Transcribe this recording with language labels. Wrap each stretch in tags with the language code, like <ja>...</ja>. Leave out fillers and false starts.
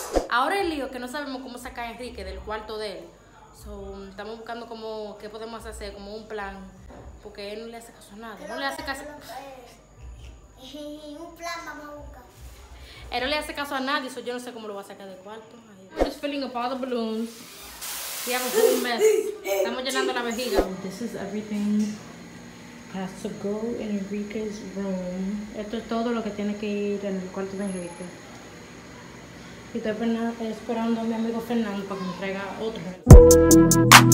<es>Ahora el lío que no sabemos cómo sacar a Enrique del cuarto de él. So estamos buscando como qué podemos hacer, como un plan, porque él no le hace caso a nada. No le hace caso. Un plan vamos a buscar. Él no le hace caso a nadie, so yo no sé cómo lo va a sacar del cuarto.</es> <en>I'm just filling up all the balloons. We have a whole mess.</en> <es>Estamos llenando la vejiga.</es> <en>This is everything has to go in Enrique's room.</en> <es>Esto es todo lo que tiene que ir en el cuarto de Enrique. Y estoy esperando a mi amigo Fernando para que me traiga otro.</es>